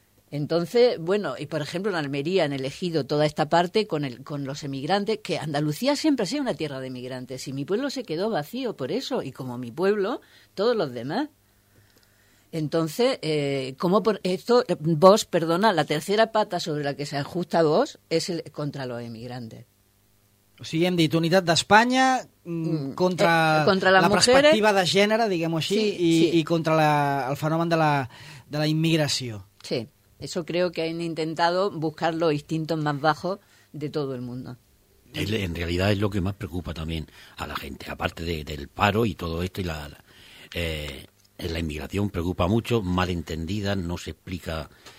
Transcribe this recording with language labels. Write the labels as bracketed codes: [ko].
[es] Entonces, bueno, y por ejemplo en Almería han elegido toda esta parte con los emigrantes, que Andalucía siempre ha sido una tierra de emigrantes y mi pueblo se quedó vacío por eso, y como mi pueblo, todos los demás. Entonces, ¿cómo por esto? Vos, perdona, la tercera pata sobre la que se ajusta vos es el contra los emigrantes. [ca] O sigui, hem dit unitat d'Espanya contra la perspectiva de gènere, diguem-ho així, i contra el fenomen de la immigració. [es] Sí, eso creo que han intentado buscar los instintos más bajos de todo el mundo. En realidad es lo que más preocupa también a la gente, aparte del paro y todo esto, y la inmigración preocupa mucho, mal entendida, no se explica...